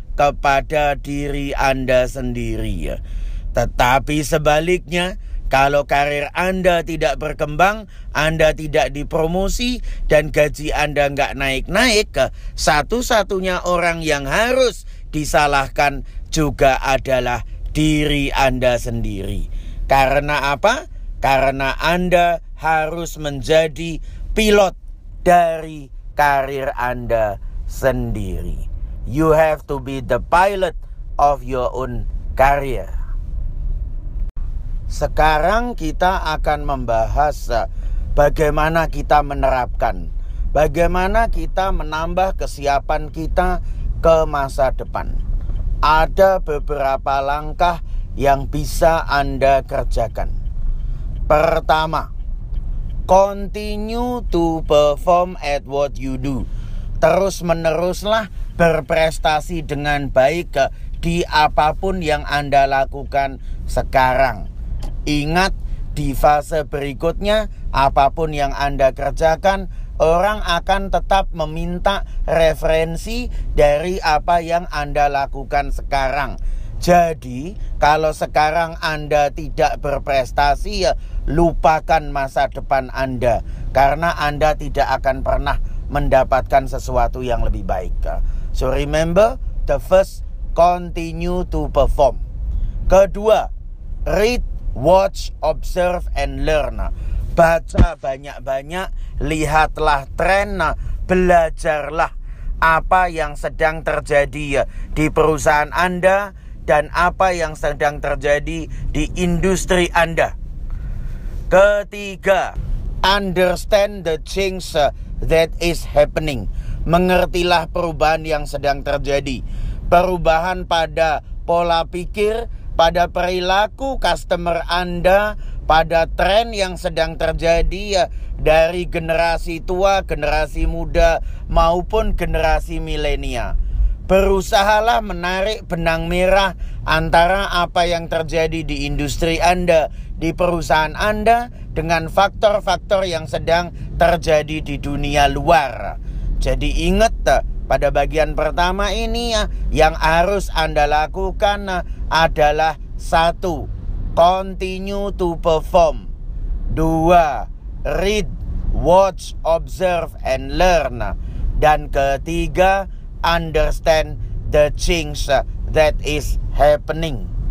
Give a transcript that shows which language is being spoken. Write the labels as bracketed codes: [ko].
[id] Kepada diri Anda sendiri. Tetapi sebaliknya, kalau karir Anda tidak berkembang, Anda tidak dipromosi, dan gaji Anda nggak naik-naik, satu-satunya orang yang harus disalahkan juga adalah diri Anda sendiri. Karena apa? Karena Anda harus menjadi pilot dari karir Anda sendiri. [en] You have to be the pilot of your own career. [id] Sekarang kita akan membahas bagaimana kita menerapkan, bagaimana kita menambah kesiapan kita ke masa depan. Ada beberapa langkah yang bisa Anda kerjakan. Pertama, [en] continue to perform at what you do. [id] Terus meneruslah berprestasi dengan baik di apapun yang Anda lakukan sekarang. Ingat, di fase berikutnya, apapun yang Anda kerjakan, orang akan tetap meminta referensi dari apa yang Anda lakukan sekarang. Jadi, kalau sekarang Anda tidak berprestasi, ya lupakan masa depan Anda. Karena Anda tidak akan pernah mendapatkan sesuatu yang lebih baik. [en] So remember, the first, continue to perform. [id] Kedua, [en] read, watch, observe, and learn. [id] Baca banyak-banyak, lihatlah tren, belajarlah apa yang sedang terjadi di perusahaan Anda dan apa yang sedang terjadi di industri Anda. Ketiga, [en] understand the change that is happening. [id] Mengertilah perubahan yang sedang terjadi. Perubahan pada pola pikir, pada perilaku customer Anda, pada tren yang sedang terjadi dari generasi tua, generasi muda, maupun generasi milenial. Berusahalah menarik benang merah antara apa yang terjadi di industri Anda, di perusahaan Anda, dengan faktor-faktor yang sedang terjadi di dunia luar. Jadi ingat, pada bagian pertama ini yang harus Anda lakukan adalah 1. [en] Continue to perform. 2. Read, watch, observe, and learn. [id] Dan ketiga, [en] understand the change that is happening.